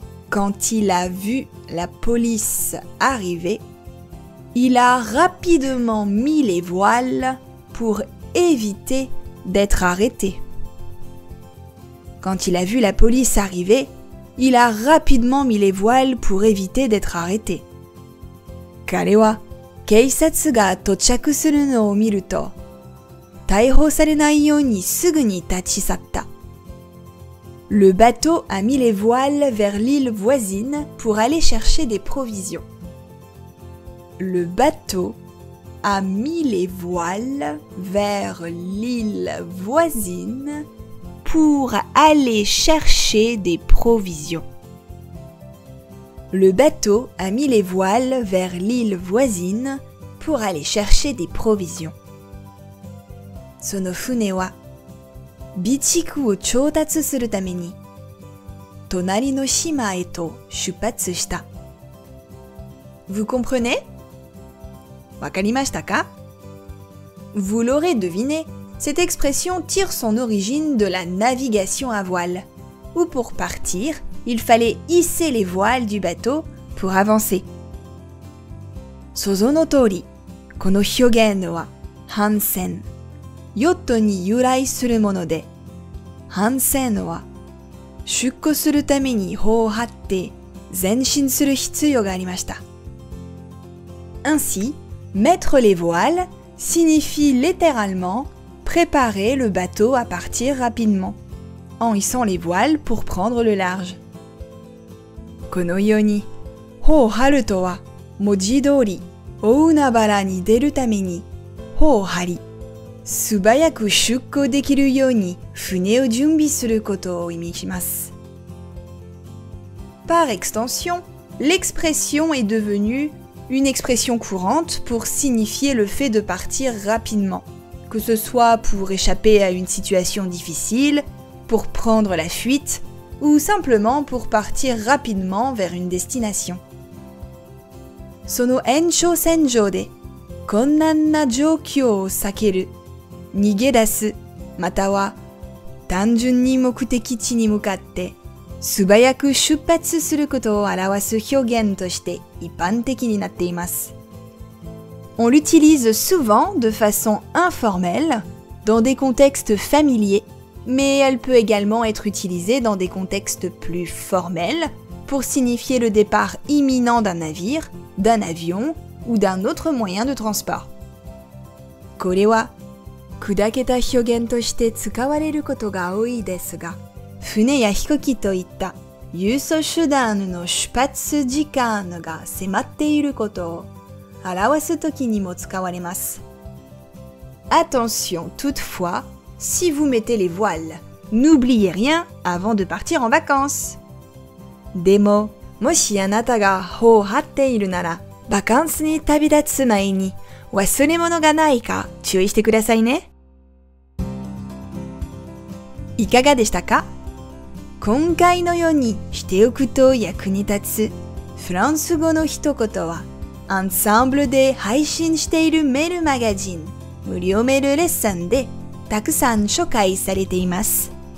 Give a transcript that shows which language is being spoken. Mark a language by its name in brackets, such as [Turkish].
[French] Quand il a vu la police arriver, il a rapidement mis les voiles pour éviter d'être arrêté. Quand il a vu la police arriver, il a rapidement mis les voiles pour éviter d'être arrêté. [Japanese] 彼は警察が到着するのを見ると、逮捕されないようにすぐに立ち去った。 [French] Le bateau a mis les voiles vers l'île voisine pour aller chercher des provisions. Le bateau a mis les voiles vers l'île voisine pour aller chercher des provisions. Le bateau a mis les voiles vers l'île voisine pour aller chercher des provisions. [Japanese] その船は備蓄を調達するために隣の島へと出発した。 [French] Vous comprenez? [Japanese] わかりましたか? [French] Vous l'aurez deviné, cette expression tire son origine de la navigation à voile, où pour partir, il fallait hisser les voiles du bateau pour avancer. [Japanese] その通り、この表現は帆船、ヨットに由来するもので、帆船は出航するために帆を張って前進する必要がありました。 [French] Ainsi, mettre les voiles signifie littéralement préparer le bateau à partir rapidement, en hissant les voiles pour prendre le large. [Japanese] このように、帆を張るとは、文字通り、大海原に出るために帆を張り、素早く出航できるように船を準備することを意味します。 [French] Par extension, l'expression est devenue une expression courante pour signifier le fait de partir rapidement, que ce soit pour échapper à une situation difficile, pour prendre la fuite, ou simplement pour partir rapidement vers une destination. [Japanese] その延長線上で、困難な状況を避ける。逃げ出す、または単純に目的地に向かって素早く出発することを表す表現として一般的になっています。 [French] On l'utilise souvent de façon informelle dans des contextes familiers, mais elle peut également être utilisée dans des contextes plus formels pour signifier le départ imminent d'un navire, d'un avion ou d'un autre moyen de transport. [Japanese] これは砕けた表現として使われることが多いですが、船や飛行機といった輸送手段の出発時間が迫っていることを表すときにも使われます。 [French] Attention toutefois, si vous mettez les voiles, n'oubliez rien avant de partir en vacances. [Japanese] でも、もしあなたが帆を張っているなら、バカンスに旅立つ前に、忘れ物がないか注意してくださいね。いかがでしたか? 今回のようにしておくと役に立つフランス語の一言は、アンサンブルで配信しているメールマガジン、無料メールレッスンでたくさん紹介されています。